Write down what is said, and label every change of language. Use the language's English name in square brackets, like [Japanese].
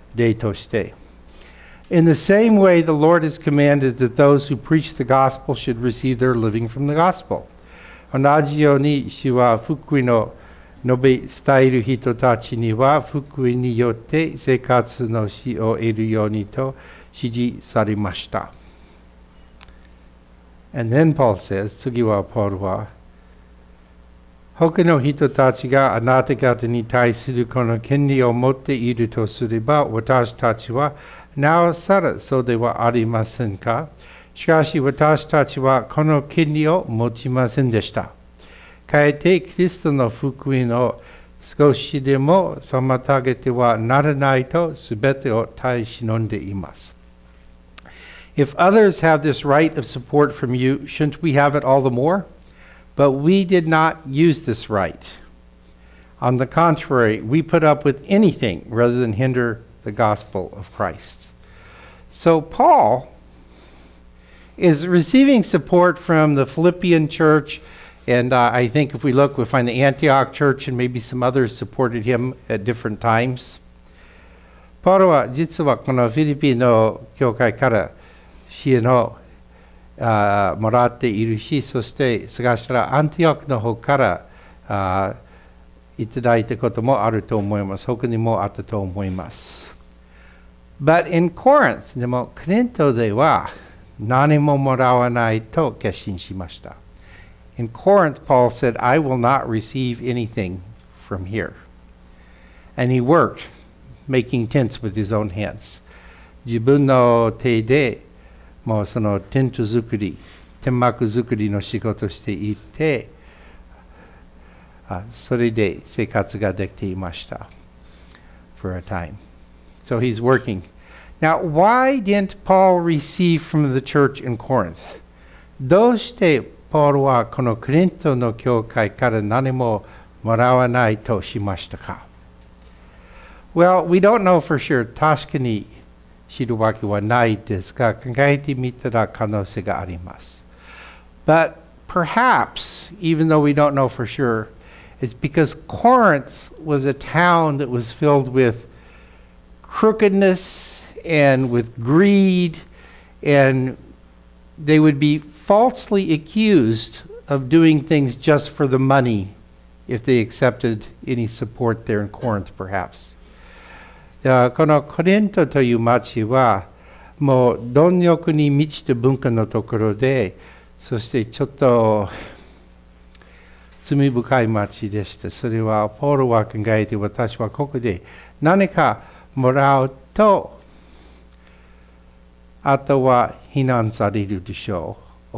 [Japanese] 例として。 [English] In the same way, the Lord has commanded that those who preach the gospel should receive their living from the gospel. [Japanese] 同じように、主は福音を述べ伝える人たちには、福音によって生活の死を得るようにと指示されました。 [English] And then Paul says, [Japanese] 次はパウロは、他の人たちがあなた方に対するこの権利を持っているとすれば、私たちはなおさらそうではありませんか？しかし私たちはこの権利を持ちませんでした。かえってキリストの福音を少しでも妨げてはならないとすべてを耐え忍んでいます。 [English] If others have this right of support from you, shouldn't we have it all the more? But we did not use this right. On the contrary, we put up with anything rather than hinder the gospel of Christ. So Paul is receiving support from the Philippian church, and I think if we look, we'll find the Antioch church and maybe some others supported him at different times. [Japanese] パウロは実はこのフィリピの教会から支援をもらっているし、そして探したらアンティオクの方からいただいたこともあると思います。他にもあったと思います。 [English] But in Corinth, [Japanese] でもコリントでは何ももらわないと決心しました。 [English] In Corinth, Paul said, I will not receive anything from here. And he worked, making tents with his own hands. [Japanese] 自分の手でもうそのテント作り、天幕作りの仕事をしていて、それで生活ができていました。 [English] For a time. So he's working. Now, why didn't Paul receive from the church in Corinth? [Japanese] どうしてパウロはこのコリントの教会から何ももらわないとしましたか？ [English] Well, we don't know for sure. [Japanese] 確かに知るわけはないですが、考えてみたら可能性があります。 [English] But perhaps, even though we don't know for sure, it's because Corinth was a town that was filled with crookedness and with greed, and they would be falsely accused of doing things just for the money if they accepted any support there in Corinth, perhaps. [Japanese] このコリントという町はもう貪欲に満ちた文化のところで、そしてちょっと罪深い町でした。それはポールは考えて、私はここで何かもらうと、あとは非難されるでしょう。